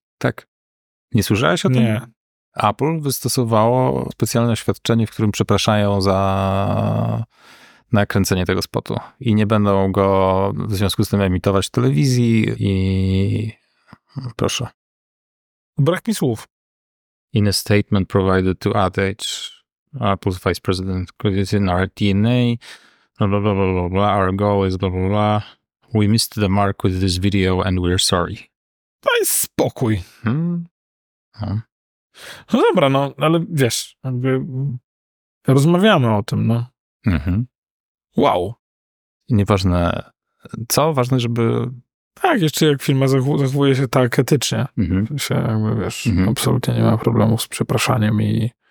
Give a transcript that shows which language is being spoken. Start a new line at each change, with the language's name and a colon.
Polish: Tak. Nie słyszałeś o tym? Nie. Apple wystosowało specjalne oświadczenie, w którym przepraszają za nakręcenie tego spotu. I nie będą go w związku z tym emitować w telewizji i... Proszę. Brak mi słów.
English: In a statement provided to AdAge, Apple's vice president, because it's in our DNA, blah, blah, blah, blah, blah, our goal is blah, blah, blah. We missed the mark with this video and we're sorry.
Polish: To jest spokój. Hmm. No dobra, no, ale wiesz, jakby rozmawiamy o tym, no. Mhm. Wow. Nieważne, co? Ważne, żeby... Tak, jeszcze jak firma zachowuje się tak etycznie, że jakby, wiesz, absolutnie nie ma problemów z przepraszaniem i...